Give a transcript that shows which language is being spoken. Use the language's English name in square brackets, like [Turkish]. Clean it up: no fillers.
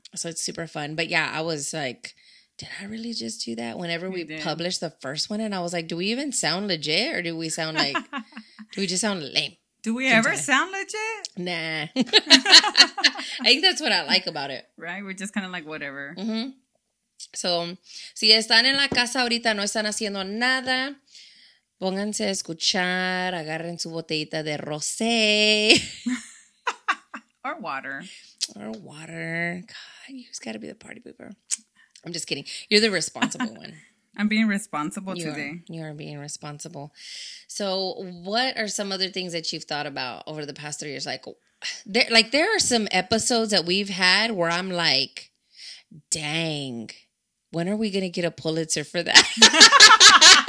[English] So it's super fun. But yeah, I was like did I really just do that? Whenever we published the first one, and I was like, do we even sound legit, or do we sound like, do we just sound lame? Do we ever sound legit? Nah. I think that's what I like about it. Right? We're just kind of like, whatever. Mm-hmm. [Spanish] So, si están en la casa ahorita, no están haciendo nada, pónganse a escuchar, agarren su botellita de rosé. [English] Or water. Or water. God, you just gotta be the party pooper. I'm just kidding. You're the responsible one. I'm being responsible today. You are being responsible. So, what are some other things that you've thought about over the past 3 years? There are some episodes that we've had where I'm like, dang, when are we going to get a Pulitzer for that?